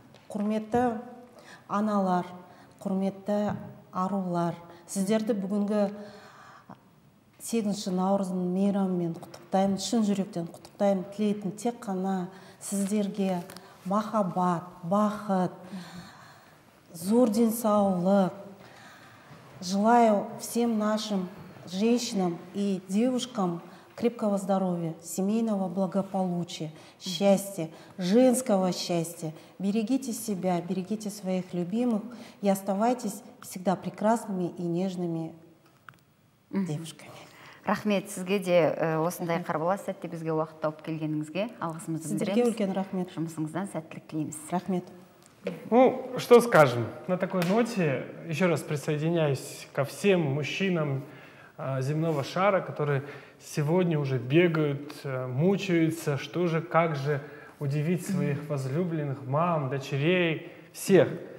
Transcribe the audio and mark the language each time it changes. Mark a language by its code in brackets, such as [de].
[kk] Құрметті аналар, құрметті арулар, сіздерді бүгінгі 8-ші наурызының мейрамымен құттықтаймын, шын жүректен құттықтаймын, тілейтін тек қана сіздерге махаббат, бақыт, зор денсаулық. [ru] Желаю всем нашим женщинам и девушкам крепкого здоровья, семейного благополучия, счастья, женского счастья. Берегите себя, берегите своих любимых и оставайтесь всегда прекрасными и нежными девушками. [kk] Рахмет сізге де осындай қарбалас сәтте бізге уақыт тауып келгеніңізге. Алғысымызды білдіреміз. Сіздерге үлкен рахмет. Жұмысыңыздан сәттілік тілейміз. Рахмет. [ru] Ну, что скажем, на такой ноте еще раз присоединяюсь ко всем мужчинам земного шара, которые сегодня уже бегают, мучаются, что же, как же удивить своих возлюбленных, мам, дочерей, всех.